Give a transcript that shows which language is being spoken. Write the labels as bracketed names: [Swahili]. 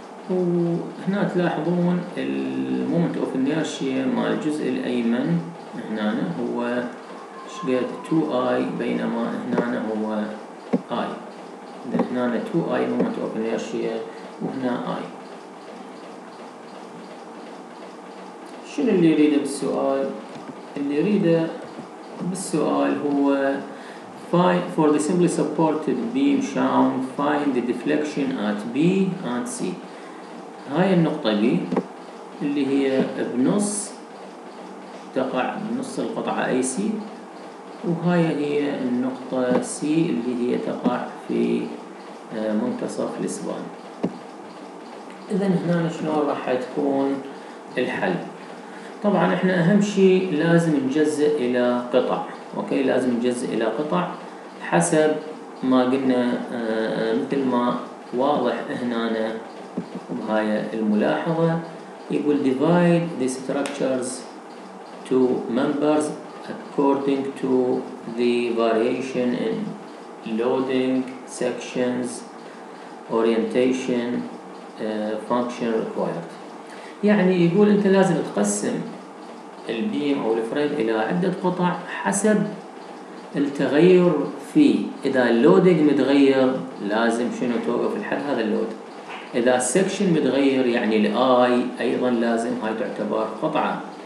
[Arabic] وهنا تلاحظون المومنت اوف انيرشيا مع الجزء الأيمن هنا هو شقد 2i، بينما هنا هو i. هنا 2i مومنت اوف انيرشيا وهنا i. شنو اللي يريده بالسؤال؟ اللي يريده بالسؤال هو [English] for the simply supported beam shown, find the deflection at B and C. [Arabic] هاي النقطة B اللي هي بنص، تقع بنص القطعة AC، وهاي هي النقطة C اللي هي تقع في منتصف الإسبان. إذن هنا شلون راح تكون الحل؟ طبعا احنا أهم شيء لازم نجزئ إلى قطع، أوكي، لازم نجزئ إلى قطع حسب ما قلنا، مثل ما واضح هنا بهاي الملاحظة. [English] يقول divide the structures to members according to the variation in loading, sections, orientation, function required. [Arabic] يعني يقول انت لازم تقسم البيم او الفريم الى عدة قطع حسب التغير فيه. إذا اللودينج متغير لازم شنو توقف لحد هذا اللود. إذا السكشن متغير يعني الآي أيضا لازم، هاي تعتبر قطعة.